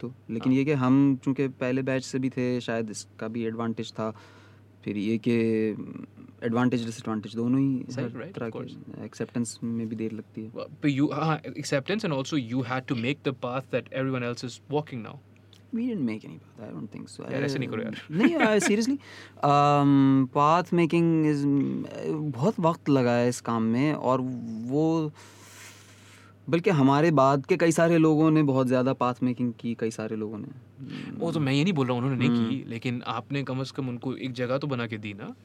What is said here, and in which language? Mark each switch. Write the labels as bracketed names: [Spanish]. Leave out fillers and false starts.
[Hindi] लेकिन ये कि हम चूंकि पहले बैच से भी थे शायद इसका भी एडवांटेज था. फिर ये कि एडवांटेज डिसएडवांटेज दोनों ही तरह के एक्सेप्टेंस में भी देर लगती है. [English] But you acceptance and also you had to make the path that everyone else is walking now. We didn't make any path. I don't think so. [Hindi] यार ऐसे नहीं करो यार. नहीं यार [English] seriously. Path making is [Hindi] बहुत वक्त लगा है इस काम में और वो बल्कि हमारे बाद के कई सारे लोगों ने बहुत ज़्यादा पाथ मेकिंग की. कई सारे लोगों ने वो तो मैं ये नहीं बोल रहा उन्होंने नहीं की, लेकिन आपने कम से कम उनको एक जगह तो बना के दी ना.